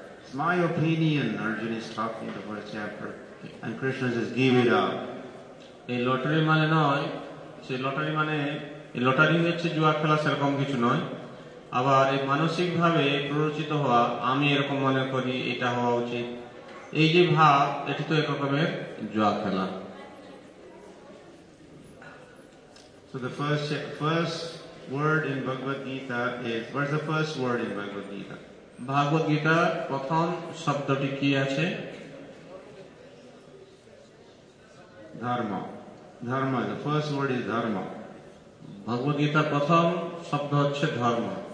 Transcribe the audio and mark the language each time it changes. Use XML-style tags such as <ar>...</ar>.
<en>It's my opinion, Arjun is talking in the first chapter. And Krishna says, give it up.</en> <bn>এই lottery মানে নয়, সেই lottery মানে এই লটারি হচ্ছে জুয়া খেলা সেরকম কিছু নয়। আবার এই মানসিক ভাবে প্ররোচিত হওয়া, আমি এরকম মনে করি এটা হওয়া উচিত, এই যে ভাব, এটি তো এক রকমের জুয়া খেলা।</bn> <en>So the first word in Bhagavad Gita is, what is the first word in Bhagavad Gita?</en> <bn>Bhagavad Gita প্রথম শব্দটি কি আছে?</bn> <en>Dharma. Dharma, the first word is Dharma.</en> <bn>Bhagavad Gita প্রথম শব্দ হচ্ছে ধর্ম।</bn>